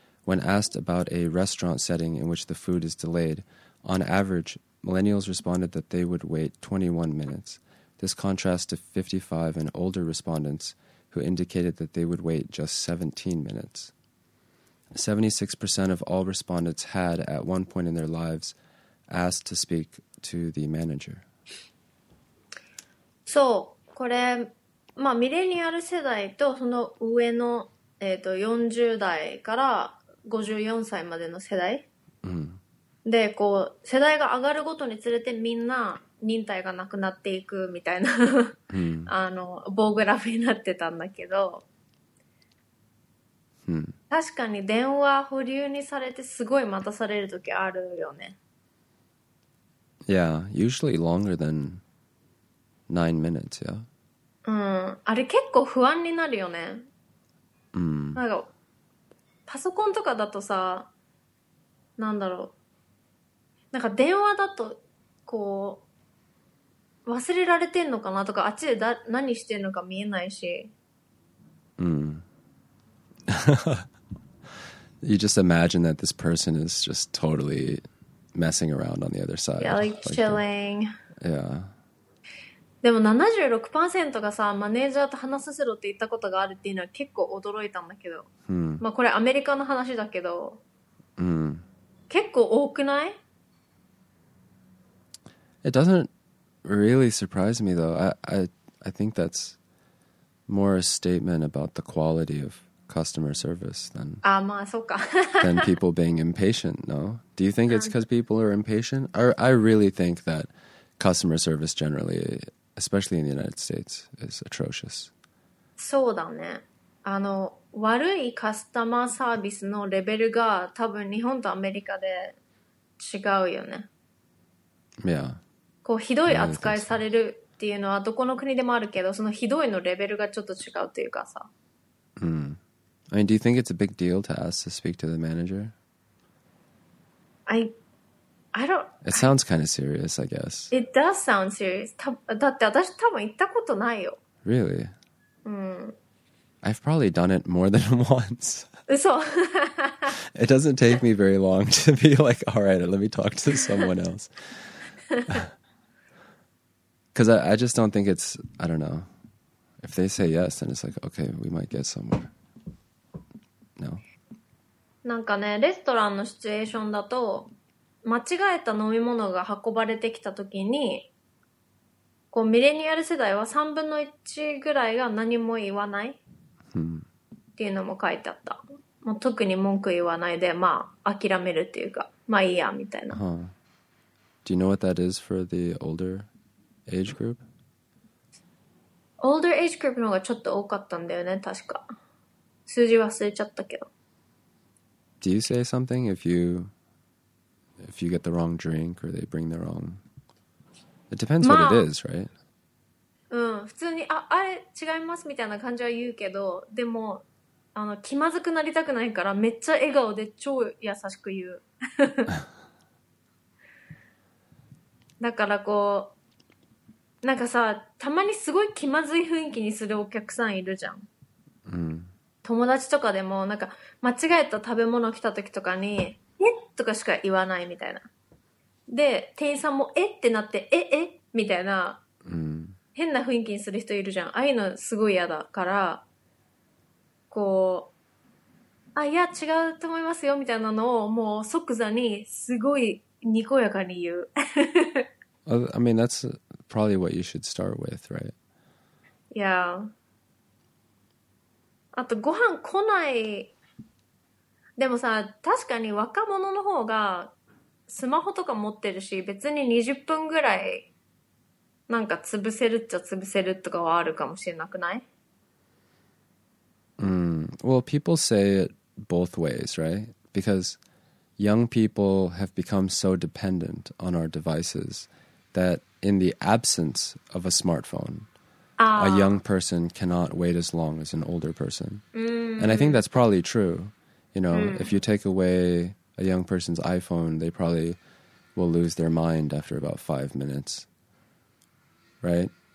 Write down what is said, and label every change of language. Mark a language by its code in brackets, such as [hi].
[en] When asked about a restaurant setting in which the food is delayed, on average, millennials responded that they would wait 21 minutes. This contrasts to 55 and older respondents,who indicated that they would wait just 17 minutes. 76% of all respondents had, at one point in their lives, asked to speak to the manager. [ja] そう、これ、まあ、ミレニアル世代とその上の、40代から54歳までの世代、 mm. で、こう、世代が上がるごとにつれてみんな忍耐がなくなっていくみたいな、 hmm. あの棒グラフになってたんだけど、 hmm. 確かに電話保留にされてすごい待たされる時あるよね。 [en] Yeah, usually longer than 9 minutes, yeah? [ja] うん、あれ結構不安になるよね。 Hmm. なんかパソコンとかだとさ、なんだろう、なんか電話だとこう忘れられてんのかなとか、あっちでだ何してんのか見えないし。うん。 [en] You just imagine that this person is just totally messing around on the other side. Yeah, like chilling. Like the... Yeah. [ja] でも 76% がさ、マネージャーと話させろって言ったことがあるっていうのは結構驚いたんだけど。うん。まあこれアメリカの話だけど。うん。結構多くない？ [en] It doesn't... really surprised me though. I think that's more a statement about the quality of customer service than, than people being impatient, no? Do you think it's because people are impatient? I really think that customer service generally, especially in the United States, is atrocious. [ja] そうだね。あの、悪いカスタマーサービスのレベルが多分日本とアメリカで違うよね。 [en] Yeah. [ja] こうひどい扱いされるっていうのはどこの国でもあるけど、そのひどいのレベルがちょっと違うというかさ。うん。 [en] I mean, do you think it's a big deal to ask to speak to the manager? I don't... It sounds kind of serious, I guess. It does sound serious. [ja] だって私多分行ったことないよ。 [en] Really? I've probably done it more than once. So, it doesn't take me very long to be like, all right, let me talk to someone else. Because I just don't think it's, I don't know. If they say yes, then it's like, okay, we might get somewhere. No? [ja] なんかね、レストランのシチュエーションだと、間違えた飲み物が運ばれてきた時に、こうミレニアル世代は3分の1ぐらいが何も言わないっていうのも書いてあった。もう特に文句言わないで、まあ諦めるっていうか、まあいいやみたいな。 [en] Huh. Do you know what that is for the older age group? Older age group [ja] の方がちょっと多かったんだよね、確か。数字忘れちゃったけど。 [en] Do you say something if you get the wrong drink or they bring the wrong? It depends what、まあ、it is, right? [ja] うん、普通にあれ違いますみたいな感じは言うけど、でも気まずくなりたくないからめっちゃ笑顔で超優しく言う。だからこうなんかさ、たまにすごい気まずい雰囲気にするお客さんいるじゃん。うん、友達とかでもなんか間違えた食べ物来た時とかに、えっとかしか言わないみたいな。で、店員さんもえってなって、ええみたいな、変な雰囲気にする人いるじゃん。ああいうのすごい嫌だから、こう、あ、いや、違うと思いますよ、みたいなのを、もう即座に、すごい、にこやかに言う。 [en] I mean, that's probably what you should start with, right? Yeah. [ja] あと、ご飯来ない。でもさ、確かに若者の方が、スマホとか持ってるし、別に20分ぐらいなんか潰せるっちゃ潰せるとかはあるかもしれなくない？ [en] Well, people say it both ways, right? Because young people have become so dependent on our devices that in the absence of a smartphone, a young person cannot wait as long as an older person. And I think that's probably true. You know, if you take away a young person's iPhone, they probably will lose their mind after about 5 minutes, right?